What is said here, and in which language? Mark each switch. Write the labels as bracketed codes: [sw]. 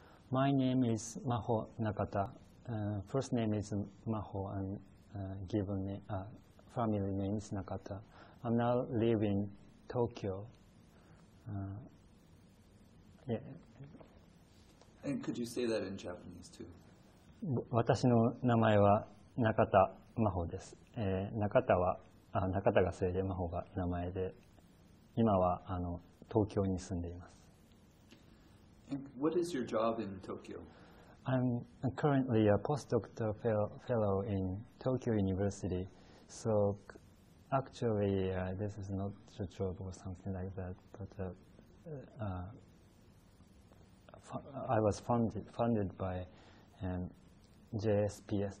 [en] My name is Maho Nakata. First name is Maho, and given family name is Nakata. I'm now living in Tokyo. And could you say that in Japanese too? [ja] 私の名前は中田真帆です。中田は、中田が姓で真帆が名前で、今は東京に住んでいます。 [en] And what is your job in Tokyo? I'm currently a postdoctoral fellow in Tokyo University, so actually this is not a job or something like that, but I was funded by JSPS.